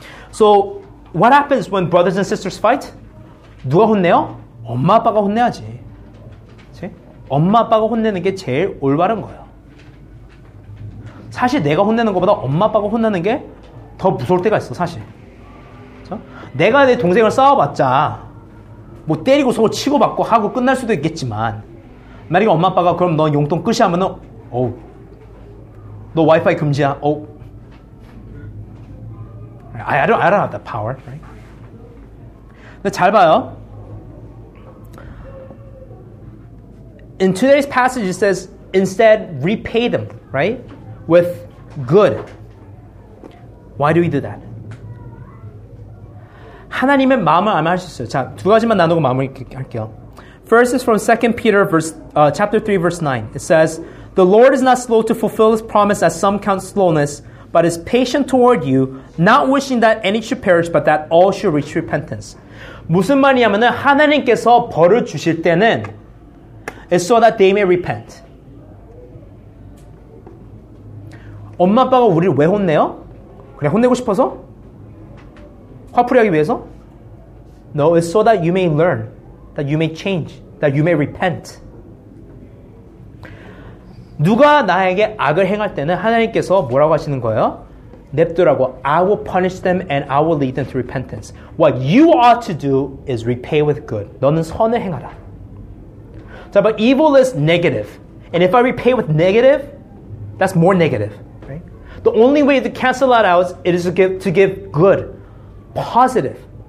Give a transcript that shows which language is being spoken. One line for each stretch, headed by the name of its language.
English: So what happens when brothers and sisters fight?
Korean: 누가 혼내요? 엄마 아빠가 혼내야지. 그치? 엄마 아빠가 혼내는 게 제일 올바른 거예요. 사실 내가 혼내는 것보다 엄마 아빠가 혼내는 게 더 무서울 때가 있어, 사실. 그쵸? 내가 내 동생을 싸워봤자 뭐 때리고 서로 치고받고 하고 끝날 수도 있겠지만 만약에 엄마 아빠가 그럼 너 용돈 끝이 하면은 어우 너 와이파이 금지야 어우
English: I don't have that power, right?
Korean: 근데 잘 봐요.
English: In today's passage, it says, instead, repay them, right? With good. Why do we do that?
Korean: 하나님의 마음을 알면 할 수 있어요. 자, 두 가지만 나누고 마무리 할게요.
English: First is from 2 Peter chapter 3, verse 9. It says, the Lord is not slow to fulfill His promise as some count slowness, but is patient toward you, not wishing that any should perish, but that all should reach repentance.
Korean: 무슨 말이냐면은 하나님께서 벌을 주실 때는
English: is so that they may repent.
Korean: 엄마 아빠가 우리를 왜 혼내요? 그냥 혼내고 싶어서? 화풀이하기 위해서?
English: No, it's so that you may learn, that you may change, that you may repent.
Korean: 누가 나에게 악을 행할 때는 하나님께서 뭐라고 하시는 거예요? 냅두라고.
English: I will punish them and I will lead them to repentance. What you ought to do is repay with good.
Korean: 너는 선을 행하라.
English: So, but evil is negative. And if I repay with negative, that's more negative. Right? The only way to cancel that out is to give good, positive.